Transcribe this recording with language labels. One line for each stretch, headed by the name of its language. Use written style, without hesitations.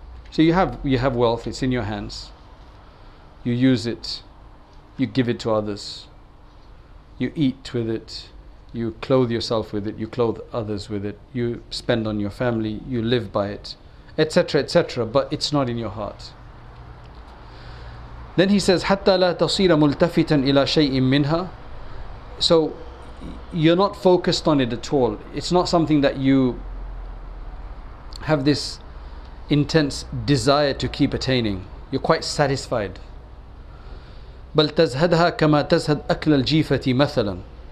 English: So you have wealth, it's in your hands, you use it, you give it to others, you eat with it, you clothe yourself with it, you clothe others with it, you spend on your family, you live by it, etc., etc., but it's not in your heart. Then he says,
Arabic: حَتَّى لَا تَصِيرَ مُلْتَفِتًا إِلَى شَيْءٍ مِّنْهَا.
English: So you're not focused on it at all. It's not something that you have this intense desire to keep attaining. You're quite satisfied.
Arabic: بَلْ تَزْهَدْهَا كَمَا تَزْهَدْ أَكْلَ الْجِيفَةِ مَثَلًا.